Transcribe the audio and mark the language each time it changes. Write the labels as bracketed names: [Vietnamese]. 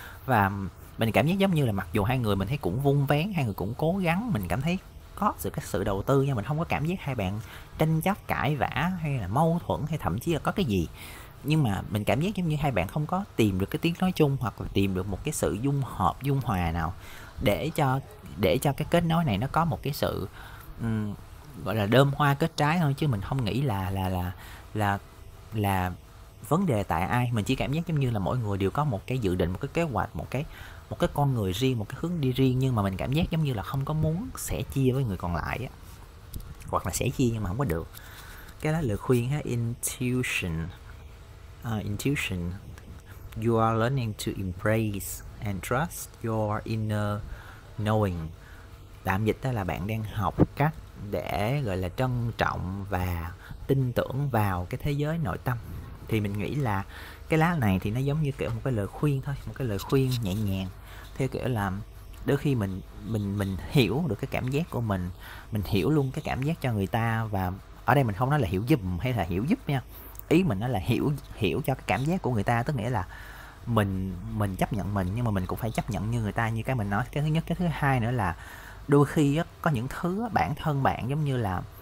[Vietnamese] Và mình cảm giác giống như là mặc dù hai người mình thấy cũng vun vén, hai người cũng cố gắng, mình cảm thấy có cái sự đầu tư nha, mình không có cảm giác hai bạn tranh chấp cãi vã hay là mâu thuẫn hay thậm chí là có cái gì, nhưng mà mình cảm giác giống như hai bạn không có tìm được cái tiếng nói chung hoặc là tìm được một cái sự dung hợp dung hòa nào để cho cái kết nối này nó có một cái sự gọi là đơm hoa kết trái thôi, chứ mình không nghĩ là vấn đề tại ai. Mình chỉ cảm giác giống như là mỗi người đều có một cái dự định, một cái kế hoạch, một cái con người riêng, một cái hướng đi riêng, nhưng mà mình cảm giác giống như là không có muốn sẻ chia với người còn lại á, hoặc là sẻ chia nhưng mà không có được. Cái đó là lời khuyên ha, intuition. [English] Intuition, you are learning to embrace and trust your inner knowing. [Vietnamese] Tạm dịch đó là bạn đang học cách để gọi là trân trọng và tin tưởng vào cái thế giới nội tâm. Thì mình nghĩ là cái lá này thì nó giống như kiểu một cái lời khuyên thôi, một cái lời khuyên nhẹ nhàng theo kiểu là đôi khi mình hiểu được cái cảm giác của mình hiểu luôn cái cảm giác cho người ta, và ở đây mình không nói là hiểu giùm hay là hiểu giúp nha, ý mình nói là hiểu hiểu cho cái cảm giác của người ta, tức nghĩa là mình chấp nhận mình, nhưng mà mình cũng phải chấp nhận như người ta, như cái mình nói cái thứ nhất. Cái thứ hai nữa là đôi khi á, có những thứ á, bản thân bạn giống như là